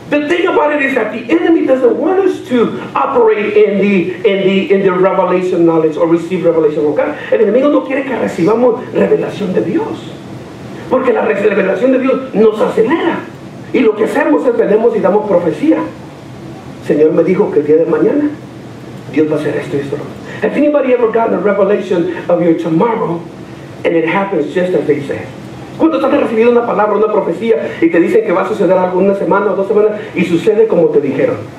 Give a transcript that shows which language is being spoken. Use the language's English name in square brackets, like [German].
[English] The thing about it is that the enemy doesn't want us to operate in the revelation knowledge or receive revelation from God. [Spanish] El enemigo no quiere que recibamos revelación de Dios, porque la revelación de Dios nos acelera. Y lo que hacemos es venimos y damos profecía. Señor me dijo que el día de mañana Dios va a hacer esto y esto. [English] Has anybody ever gotten a revelation of your tomorrow and it happens just as they said? [Spanish] ¿Cuándo estás recibiendo una palabra, una profecía y te dicen que va a suceder algo una semana o dos semanas y sucede como te dijeron?